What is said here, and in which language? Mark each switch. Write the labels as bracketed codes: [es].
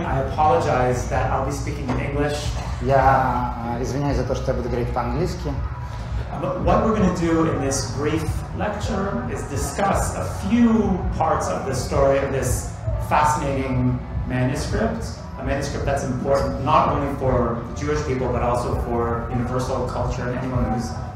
[en] I apologize that I'll be speaking in English. [ru] Я извиняюсь за то, что я буду говорить по-английски. [en] But what we're going to do in this brief lecture is discuss a few parts of the story of this fascinating manuscript, a manuscript that's important not only for Jewish people, but also for universal culture and anyone who's